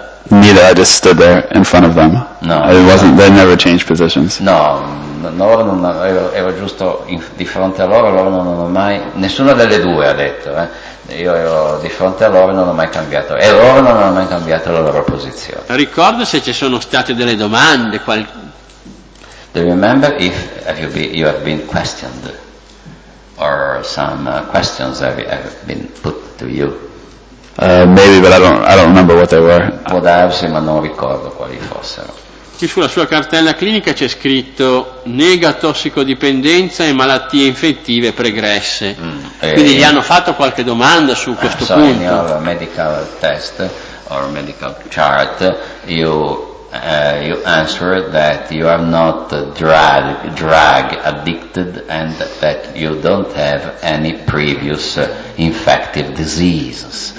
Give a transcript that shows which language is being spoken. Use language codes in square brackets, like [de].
[en] Neither, I just stood there in front of them. No, they never changed positions. [it] No, loro non ero giusto di fronte a loro, loro non hanno mai, nessuna delle due ha detto, io ero di fronte a loro e non ho mai cambiato, e loro non hanno mai cambiato la loro posizione. Ricordo se ci sono state delle domande. [en] Do you remember if you have been questioned, or some questions have been put to you? Maybe, but I don't remember what they were. [it] Può darsi, ma non ricordo quali fossero. Qui sulla sua cartella clinica c'è scritto nega tossicodipendenza e malattie infettive pregresse. Quindi gli hanno fatto qualche domanda su questo punto. [en] In your medical test or medical chart, you answer that you are not drug addicted and that you don't have any previous infective diseases.